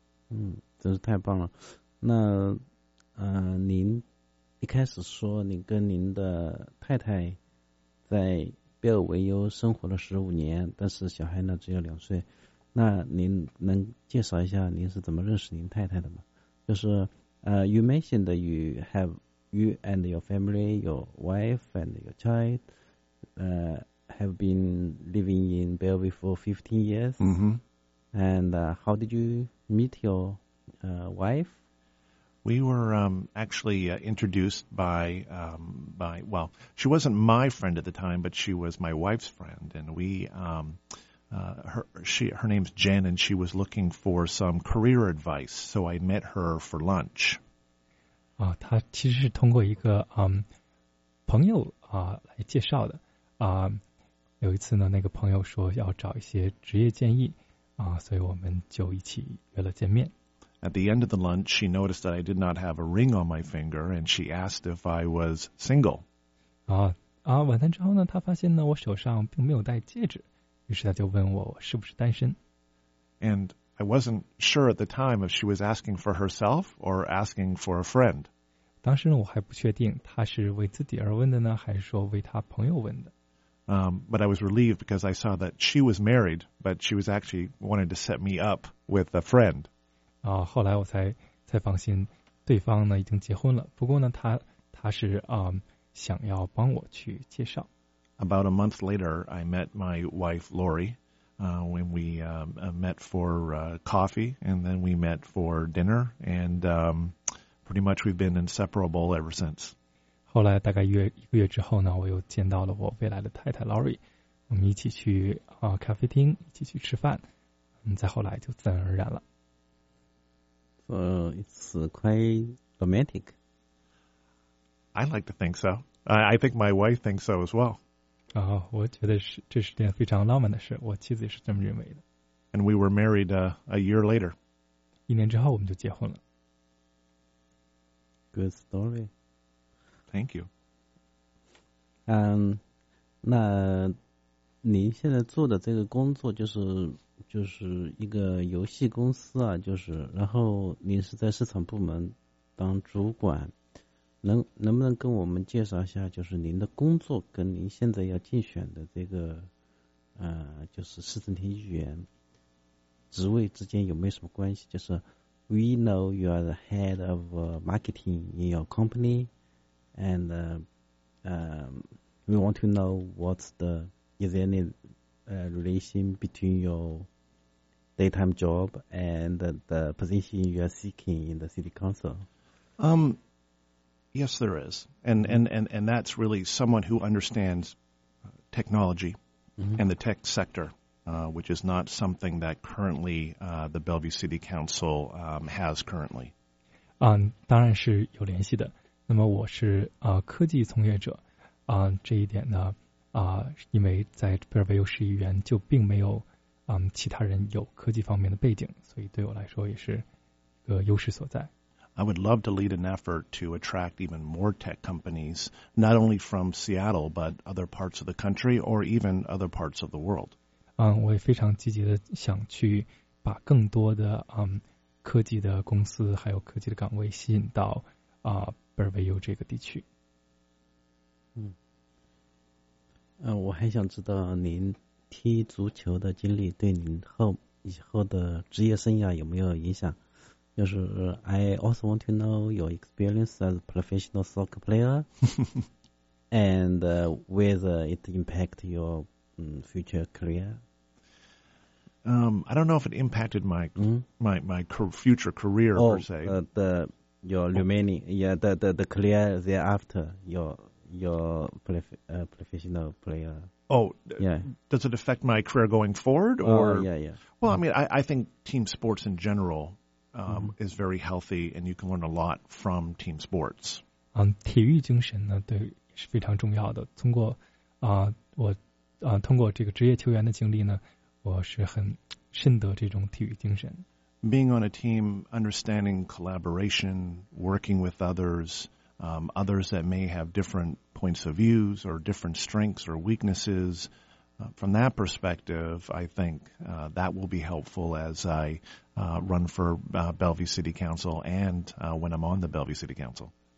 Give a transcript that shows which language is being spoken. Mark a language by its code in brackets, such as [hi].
[zh] 嗯，真是太棒了。那您一开始说你跟您的太太在贝尔维尤生活了15年，但是小孩呢只有2岁。那您能介绍一下您是怎么认识您太太的吗？就是 [en] you mentioned that you and your family, your wife and your child, have been living in Bellevue for 15 years. Mm-hmm. And how did you meet your wife? We were actually introduced by she wasn't my friend at the time, but she was my wife's friend, and we... her name's Jen, and she was looking for some career advice, so I met her for lunch. [zh] 啊，她其实是通过一个朋友啊来介绍的啊。有一次呢，那个朋友说要找一些职业建议啊，所以我们就一起约了见面。 [en] At the end of the lunch, she noticed that I did not have a ring on my finger, and she asked if I was single. [zh] 啊，晚餐之后呢，她发现呢我手上并没有戴戒指。于是他就问我是不是单身。 [en] And I wasn't sure at the time if she was asking for herself or asking for a friend. [zh] 当时呢我还不确定他是为自己而问的呢还是说为他朋友问的。 [en] But I was relieved because I saw that she was married, but she was actually wanted to set me up with a friend. [zh] 啊，后来我才放心对方呢已经结婚了，不过呢他是想要帮我去介绍。 [en] About a month later, I met my wife, Lori, when we met for coffee, and then we met for dinner, and pretty much we've been inseparable ever since. [zh] 后来大概一个月之后呢，我又见到了我未来的太太 Lori， 我们一起去咖啡厅，一起去吃饭，再后来就自然而然了。 [en] So it's quite romantic. I like to think so. I think my wife thinks so as well. [zh] 啊，我觉得是这是件非常浪漫的事，我妻子也是这么认为的。 [en] And we were married a year later. [zh] 一年之后我们就结婚了。 [en] Good story. Thank you. [zh] 那您现在做的这个工作就是一个游戏公司啊，就是然后您是在市场部门当主管。能不能跟我们介绍一下，就是您的工作跟您现在要竞选的这个，就是市政厅议员职位之间有没有什么关系？就是 [en] ，We know you are the head of marketing in your company, and we want to know is there any relation between your daytime job and the position you are seeking in the city council. Yes, there is. And that's really someone who understands technology mm-hmm. and the tech sector, which is not something that currently the Bellevue City Council has currently. [zh] 当然是有联系的。那么我是科技从业者。这一点呢因为在贝尔维尤市议员就并没有其他人有科技方面的背景，所以对我来说也是一个优势所在。 [en] I would love to lead an effort to attract even more tech companies, not only from Seattle, but other parts of the country or even other parts of the world. [zh] 我也非常积极的想去把更多的科技的公司还有科技的岗位吸引到北威优这个地区。我还想知道您踢足球的经历对您以后的职业生涯有没有影响？就是 [en] I also want to know your experience as a professional soccer player and whether it impact your future career. I don't know if it impacted my future career per se. The career thereafter, your professional player. Does it affect my career going forward? Well, I mean, I think team sports in general is very healthy, and you can learn a lot from team sports. [zh] 体育精神呢，对，是非常重要的。通过通过这个职业球员的经历呢，我是很深得这种体育精神。 [en] Being on a team, understanding collaboration, working with others, others that may have different points of views or different strengths or weaknesses, from that perspective, I think that will be helpful as I run for Bellevue City Council and when I'm on the Bellevue City Council.